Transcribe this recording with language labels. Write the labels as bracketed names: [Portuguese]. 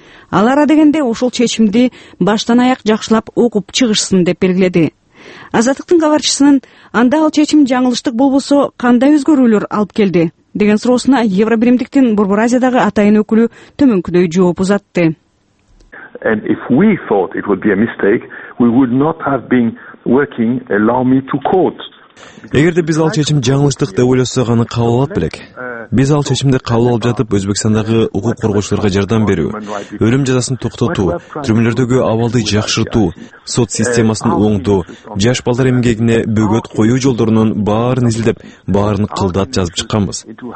[Kyrgyz] Алар адегенде ошол чечимди баштан аяк жакшылап окуп чыгышсын деп белгиледи. Азаттыктын кабарчысынын анда ал чечим жаңылыштык болбосо кандай өзгөрүүлөр алып келди деген суроосуна Евробиримдиктин Борбор Азиядагы атайын өкүлү төмөнкүдөй жооп узатты. [English] And if we thought it would be a mistake, we would not have been working, allow me to quote. [Kyrgyz] Эгерде биз ал чечим жаңылыштык деп ойлосок, аны кабыл алат белек. Биз ал чечимди кабыл алып жатып, Өзбекстандагы укук коргоочуларга жардам берүү, өлүм жазасын токтотуу, түрмөлөрдөгү абалды жакшыртуу, сот системасын оңдоо, жаш балдар эмгегине бөгөт коюу жолдорунун баарын изилдеп, баарын кылдат жазып чыкканбыз.